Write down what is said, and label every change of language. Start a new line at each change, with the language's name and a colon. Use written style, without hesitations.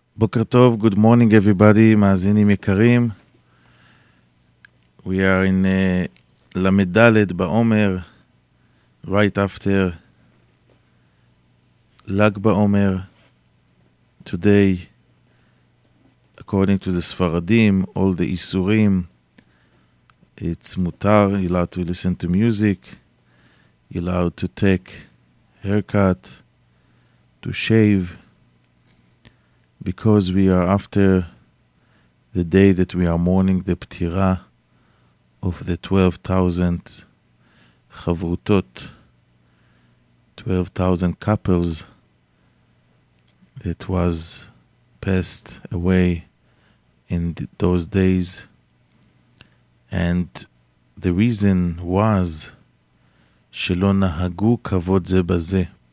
Hebrew: בוקר טוב,
English: good morning everybody,
Hebrew: מאזינים יקרים.
English: We are in למדלת בעומר, right after לג בעומר. Today, according to the ספרדים, all the איסורים, it's מותר, you're allowed to listen to music, you're allowed to take haircut, to shave, because we are after the day that we are mourning the Ptira of the 12,000 Chavrutot, 12,000 couples that was passed away in those days. And the reason was
Hebrew: שלא נהגו כבוד זה בזה.